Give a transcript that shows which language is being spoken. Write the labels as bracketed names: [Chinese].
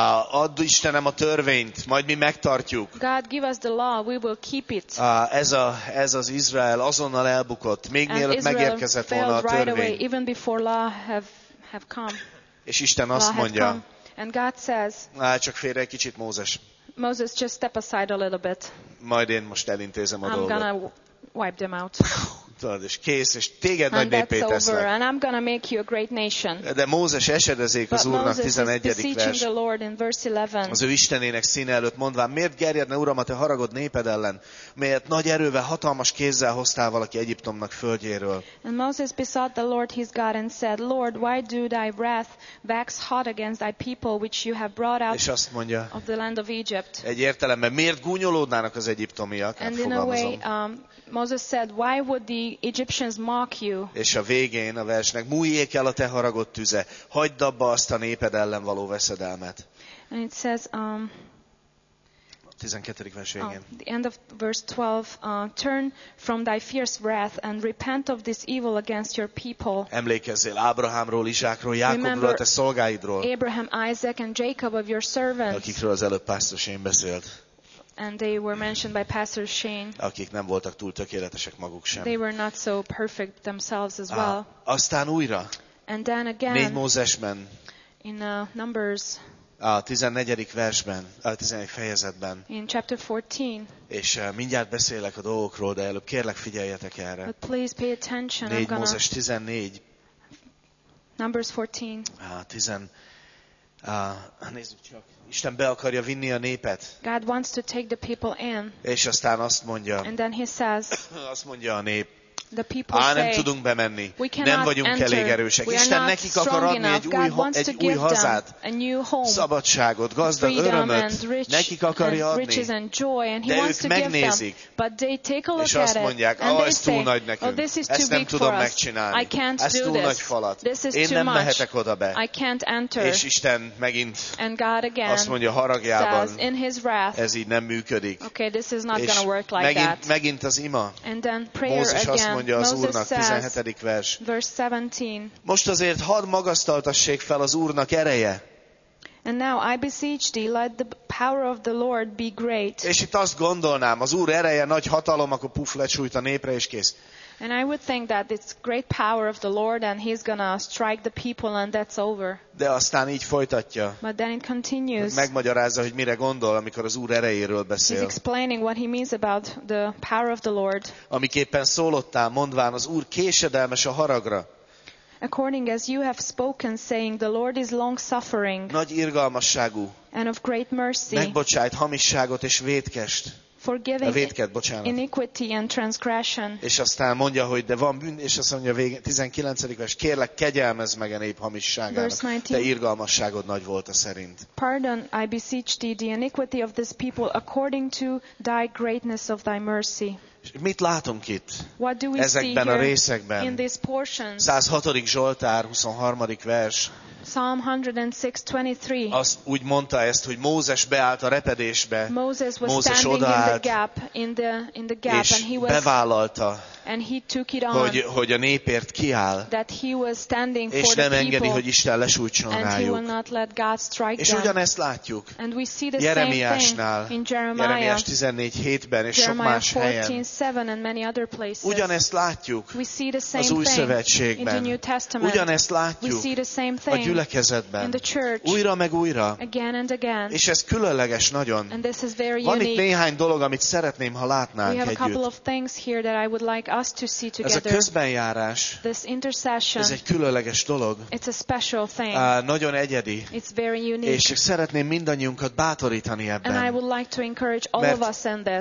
[Hungarian] add Istenem a törvényt, majd mi megtartjuk. [English] God, give us the law, we will keep it. [Hungarian] Ez az Izrael azonnal elbukott, még mielőtt megérkezett volna a törvény. [English] Right away, even before law have come. [Hungarian] És Isten azt mondja, [English] and God says, [Hungarian] csak félre egy kicsit, Mózes. [English] Moses, just step aside a little bit. [Hungarian] Majd én most elintézem a [English] I'm [Hungarian] dolgot. [English] I'm gonna wipe them out. [Hungarian] Tudod, és kész, és téged [English] and [Hungarian] nagy népé teszlek. [English] And I'm gonna make you a great nation. [Hungarian] De Mózes esedezék az [English] But [Hungarian] Úrnak [English] Moses [Hungarian] 11. [English] is beseeching the Lord in verse 11. [Hungarian] Az ő Istenének színe előtt mondván, miért gerjedne, Uram, a te haragod néped ellen, miért nagy erővel, hatalmas kézzel hoztál valaki Egyiptomnak földjéről. [English] And Moses besought the Lord his God and said, Lord, why do thy wrath wax hot against thy people, which you have brought out [Hungarian] mondja, [English] of the land of Egypt. [Hungarian] Egy értelemben, miért gúnyolódnának az egyiptomiak, [English] and [Hungarian] hát [English] in [Hungarian] fogalmazom. [English] A way, Moses said, why would the Egyptians mock you? [Hungarian] És a végén a versnek, mújjék el a te haragott tüze, hagyd abba azt a néped ellen való veszedelmet. [English] And it says, [Hungarian] 12. vers végén. [English] The end of verse 12, turn from thy fierce wrath and repent of this evil against your people. [Hungarian] Emlékezzél Ábrahámról, Izsákról, Jákobról, te szolgáidról. [English] Abraham, Isaac and Jacob of your servants. [Hungarian] Akikről az előbb pásztor Shane beszélt. [English] And they were mentioned by Pastor Shane. [Hungarian] Akik nem voltak túl tökéletesek maguk sem. [English] They were not so perfect themselves as well. [Hungarian] Aztán újra. [English] And then again. [Hungarian] Négy Mózesben. [English] In Numbers. [Hungarian] A 14. versben, a 14. fejezetben. [English] In chapter 14. [Hungarian] És mindjárt beszélek a dolgokról, de előbb kérlek, figyeljetek erre. [English] But please pay attention. [Hungarian] Négy Mózes 14. [English] Numbers 14. [Hungarian] Nézzük csak. Isten be akarja vinni a népet. [English] God wants to take the people in. [Hungarian] És aztán azt mondja. [English] And then he says. [Hungarian] Azt mondja a nép. [English] The people say. [Hungarian] Nem tudunk bemenni. Nem vagyunk elég erősek. Isten nekik akar adni egy új hazát. [English] A new home. [Hungarian] Szabadságot, gazdag örömöt. Nekik akarja adni. [English] Riches and joy, and [Hungarian] de ők megnézik. [English] But they take a look [Hungarian] és azt mondják, ez túl nagy nekünk. Ezt nem tudom megcsinálni. Ez túl nagy falat. Én nem mehetek oda be. [English] I can't enter. [Hungarian] És Isten megint [English] and God again [Hungarian] azt mondja haragjában, [English] says, in his wrath, [Hungarian] ez így nem működik. [English] Okay, this is not gonna work like [Hungarian] megint, [English] that. [Hungarian] Megint az ima. [English] And then prayer again. [Hungarian] Mondja az Úrnak, 17. vers. [English] Verse 17. [Hungarian] Most azért hadd magasztaltassék fel az Úrnak ereje. [English] And now I beseech thee, let the power of the Lord be great. [Hungarian] És itt azt gondolnám, az Úr ereje nagy hatalom, akkor puff, lecsújt a népre és kész. [English] And I would think that it's great power of the Lord and he's gonna strike the people and that's over. [Hungarian] De aztán így folytatja. [English] But then it continues. [Hungarian] Megmagyarázza, hogy mire gondol, amikor az Úr erejéről beszél. [English] He's explaining what he means about the power of the Lord. [Hungarian] Amiképpen szólottál, mondván az Úr késedelmes a haragra. [English] According as you have spoken, saying the Lord is long-suffering. [Hungarian] Nagy irgalmasságú. [English] And of great mercy. [Hungarian] Megbocsájt hamisságot és vétkest. [English] Forgiving [Hungarian] a vétket, bocsánat. [English] Iniquity and transgression. [Hungarian] És aztán mondja, hogy de van bűn, és azt mondja végén, 19. vers, kérlek, kegyelmezd meg a nép hamisságának, de irgalmasságod nagy volt a szerint. [English] Pardon, I beseech thee, the iniquity of this people according to thy greatness of thy mercy. [Hungarian] Mit látunk itt ezekben a részekben? 106. Zsoltár, 23. vers. [English] Psalm 106:23. [Hungarian] Azt úgy mondta ezt, hogy Mózes beállt a repedésbe. [English] Moses was Mózes standing [Hungarian] odaállt, [English] in the gap, [Hungarian] és bevállalta, [English] and he took it on, [Hungarian] hogy a népért kiáll, [English] that he was standing for [Hungarian] és [English] the [Hungarian] nem [English] people, [Hungarian] engedi, hogy Isten lesújtson rájuk. [English] He will not let God strike [Hungarian] és [English] them. [Hungarian] Ugyanezt látjuk Jeremiásnál, Jeremiás 14:7-ben és [English] Jeremiah [Hungarian] sok más [English] 14, [Hungarian] helyen. [English] 7 and many other places. [Hungarian] Ugyanezt látjuk [English] we see the same [Hungarian] az Új Szövetségben. [English] In the New Testament. [Hungarian] Ugyanezt látjuk [English] we see the same thing [Hungarian] a gyülekezetben. [English] In the church. [Hungarian] Újra meg újra. [English] Again and again. [Hungarian] És ez különleges nagyon. [English] And this is very [Hungarian] van [English] unique. [Hungarian] Itt néhány dolog, amit szeretném, ha látnánk [English] we [Hungarian] együtt. [English] We have a couple of things here that I would like us to see together. [Hungarian] Ez a közbenjárás, [English] this intercession, [Hungarian] ez egy különleges dolog. [English] It's a special thing. [Hungarian] Nagyon egyedi. [English] It's very unique. [Hungarian] És szeretném mindannyiunkat bátorítani ebben. [English] And I would like to encourage all of us in this.